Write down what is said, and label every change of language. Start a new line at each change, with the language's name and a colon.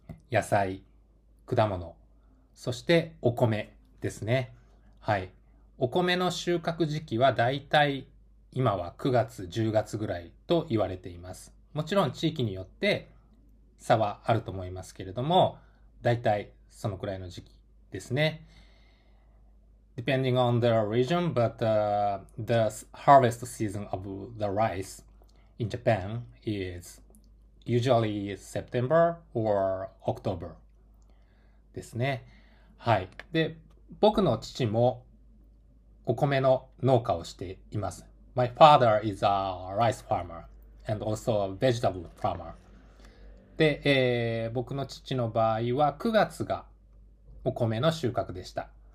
Japanese: 野菜、果物、そしてお米ですね。はい。お米の収穫時期はだいたい今は9月、10月ぐらいと言われています。もちろん地域によって差はあると思いますけれども、だいたいそのくらいの時期ですね。
English: Depending on the region, but the harvest season of the rice in Japan is usually September or October
Japanese: ですね。はい。で、僕の父もお米の農家をしています。
English: My father is a rice farmer and also a vegetable farmer.
Japanese: で、僕の父の場合は9月がお米の収穫でした。